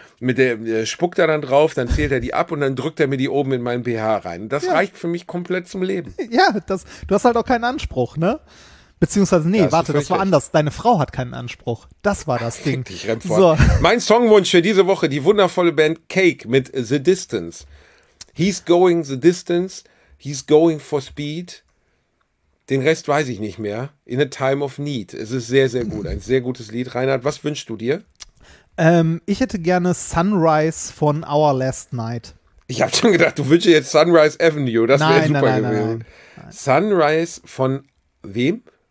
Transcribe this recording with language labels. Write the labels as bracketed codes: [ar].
[de] Mit der spuckt er dann drauf, dann zählt er die ab und dann drückt er mir die oben in meinen BH rein. Das reicht für mich komplett zum Leben. Ja, das, du hast halt auch keinen Anspruch, ne? Beziehungsweise, nee, ja, warte, das war anders. Deine Frau hat keinen Anspruch. Das war das Ding. Dich, so. Mein Songwunsch für diese Woche, die wundervolle Band Cake mit The Distance. [en] He's going the distance, he's going for speed. [de] Den Rest weiß ich nicht mehr. [en] In a time of need. [de] Es ist sehr, sehr gut. Ein sehr gutes Lied. Reinhard, was wünschst du dir? Ich hätte gerne Sunrise von Our Last Night. Ich habe schon gedacht, du wünschst jetzt Sunrise Avenue. Das wäre super gewesen. Sunrise von wem?